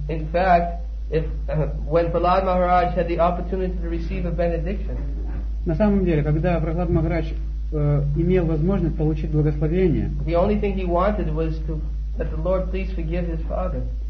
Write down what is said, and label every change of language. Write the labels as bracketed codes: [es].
[en] In fact, when Prahlad Maharaj had the opportunity to receive a benediction, [ru] на самом деле, когда Прохлад Махарадж имел возможность получить благословение, [en] the only thing he wanted was that the Lord please forgive his father.